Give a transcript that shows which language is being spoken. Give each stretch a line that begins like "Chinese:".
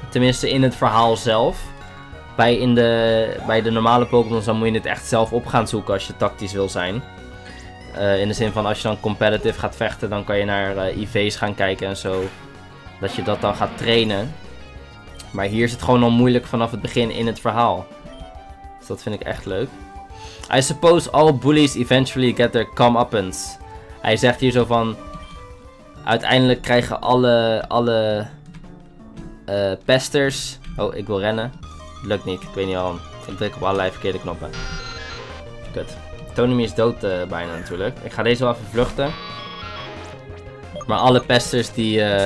Dutch: Tenminste in het verhaal zelf. Bij de normale Pokémon dan moet je het echt zelf op gaan zoeken als je tactisch wil zijn. In de zin van als je dan competitive gaat vechten, dan kan je naar IV's gaan kijken en zo. Dat je dat dan gaat trainen. Maar hier is het gewoon al moeilijk vanaf het begin in het verhaal. Dus dat vind ik echt leuk.
English: I suppose all bullies eventually get their comeuppance.
Dutch: Hij zegt hier zo van... Uiteindelijk krijgen alle pesters... Oh, ik wil rennen. Lukt niet, ik weet niet waarom. Ik druk op allerlei verkeerde knoppen. Kut. Tonemi is dood bijna natuurlijk. Ik ga deze wel even vluchten. Maar alle pesters die...